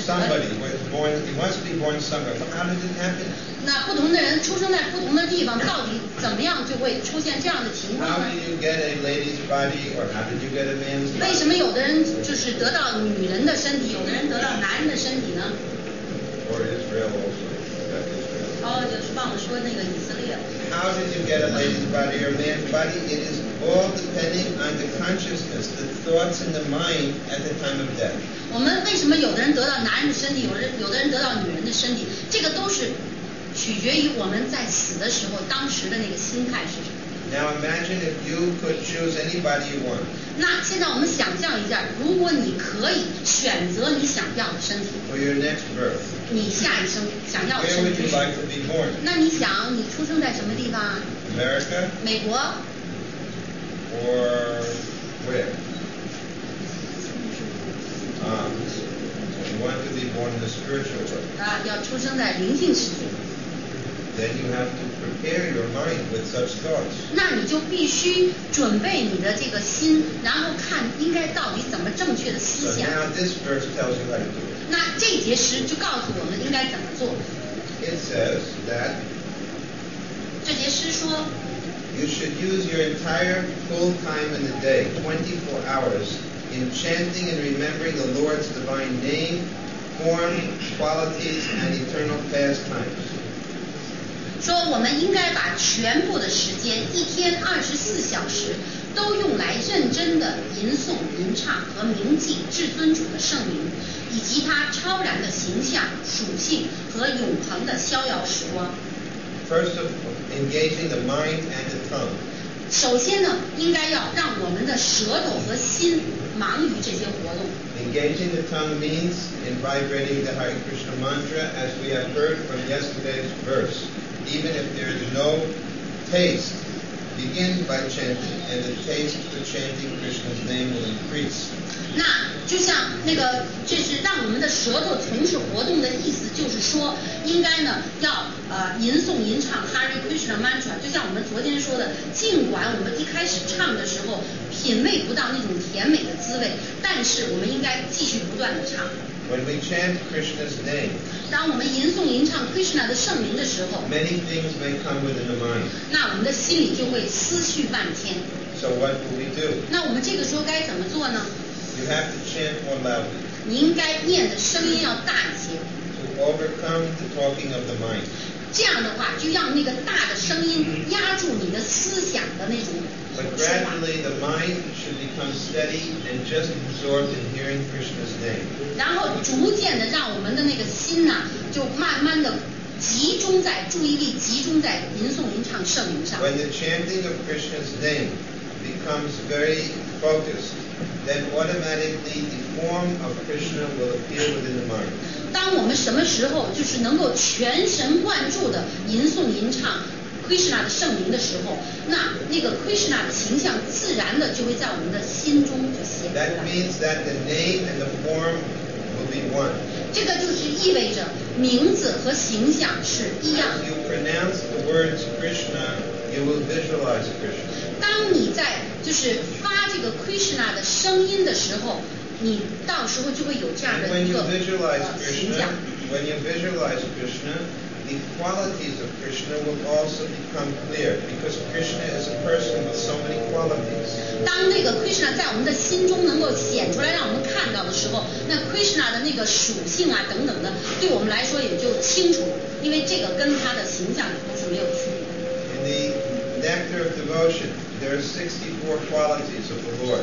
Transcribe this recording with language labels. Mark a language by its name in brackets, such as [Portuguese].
[Chinese] 什么 [English] born somebody。 [Chinese] 那不同的人出生在不同的地方，到底怎么样就会出现这样的情况呢？ [English] How did you get a lady's body, or how did you get a man's body? [Chinese] 为什么有的人就是得到女人的身体，有的人得到男人的身体呢？ [English] Or Israel also。 [Chinese] 哦，就是忘了说那个以色列。 [English] How did you get a lady's body or a man's body? It is all depending on the consciousness, the thoughts in the mind at the time of death. [Chinese] 我们为什么有的人得到男人的身体，有的人得到女人的身体？这个都是取决于我们在死的时候当时的那个心态是什么。 [English] Now imagine if you could choose anybody you want. [Chinese] 那现在我们想象一下，如果你可以选择你想要的身体。 [English] For your next birth. [Chinese] 你下一生想要的身体，那你想你出生在什么地方？ [English] America? [Chinese] 美国。 [English] Or where? You want to be born in the spiritual world. [Chinese] 要出生在灵性世界。 [English] Then you have to prepare your mind with such thoughts. [Chinese] 那你就必须准备你的这个心，然后看应该到底怎么正确的思想。 [English] So now this verse tells you how to do it. [Chinese] 那这节诗就告诉我们应该怎么做。 [English] It says that. [Chinese] 这节诗说。 [English] You should use your entire full time in the day, 24 hours, in chanting and remembering the Lord's divine name, form, qualities, and eternal pastimes. [Chinese] 说我们应该把全部的时间，一天24小时，都用来认真的吟诵、吟唱和铭记至尊主的圣名。以及他超然的形象、属性和永恒的逍遥时光。 [English] First of all, engaging the mind and the tongue. [Chinese] 首先呢，应该要让我们的舌头和心忙于这些活动。 [English] Engaging the tongue means in vibrating the Hare Krishna mantra, as we have heard from yesterday's verse. Even if there is no taste, begin by chanting, and the taste for chanting Krishna's name will increase. [Chinese] 那就像那个，这是让我们的舌头从事活动的意思，就是说应该呢要吟诵吟唱 Hare Krishna mantra。就像我们昨天说的，尽管我们一开始唱的时候品味不到那种甜美的滋味，但是我们应该继续不断地唱。 [English] When we chant Krishna's name, [Chinese] 当我们吟诵吟唱 Krishna 的圣名的时候， [English] many things may come within the mind. [Chinese] 那我们的心里就会思绪万千。 [English] So what do we do? [Chinese] 那我们这个时候该怎么做呢？ [English] You have to chant more loudly. [Chinese] 你应该念的声音要大一些。 [English] To overcome the talking of the mind. [Chinese] 这样的话，就让那个大的声音压住你的思想的那种。 [English] But gradually the mind should become steady and just absorbed in hearing Krishna's name. [Chinese] 然后逐渐的让我们的那个心呢，就慢慢的集中在注意力集中在吟诵吟唱圣名上。 [English] When the chanting of Krishna's name becomes very focused. Then automatically the form of Krishna will appear within the mind. [Chinese] 当我们什么时候就是能够全神贯注的吟诵吟唱 Krishna 的圣名的时候，那个 Krishna 的形象自然的就会在我们的心中就显出来。 [English] That means that the name and the form will be one. [Chinese] 这个就是意味着名字和形象是一样。 [English] As you pronounce the words Krishna, you will visualize Krishna. [Chinese] 当你在就是发这个 Krishna 的声音的时候，你到时候就会有这样的一个形象。 [English] When you visualize Krishna, when you visualize Krishna, the qualities of Krishna will also become clear, because Krishna is a person with so many qualities. [Chinese] 当那个 Krishna 在我们的心中能够显出来，让我们看到的时候，那 Krishna 的那个属性啊等等的，对我们来说也就清楚，因为这个跟他的形象是没有区别。 [English] In the nectar of devotion. There are 64 qualities of the Lord.